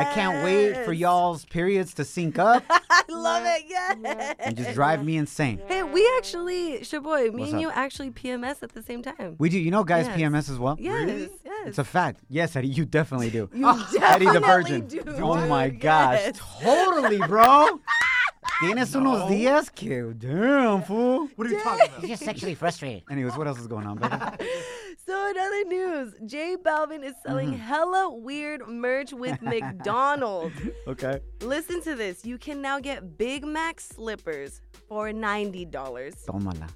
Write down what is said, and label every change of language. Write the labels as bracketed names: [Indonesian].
[English] I can't wait for y'all's periods to sync up. I love it. Yes. And just drive me insane. Hey, we actually, Shaboy, me and you actually PMS at the same time. We do. You know guys PMS as well? Yes. Really? Yes. It's a fact. Yes, Eddie, you definitely do. Eddie the Virgin. Oh, my gosh. Totally, bro. [Spanish] Tienes unos días que, [English] damn, fool. What are you talking about? He's just sexually frustrated. Anyways, what else is going on, baby? So in other news, J Balvin is selling hella weird merch with McDonald's. Okay. Listen to this. You can now get Big Mac slippers for $90. [Spanish] Tómala.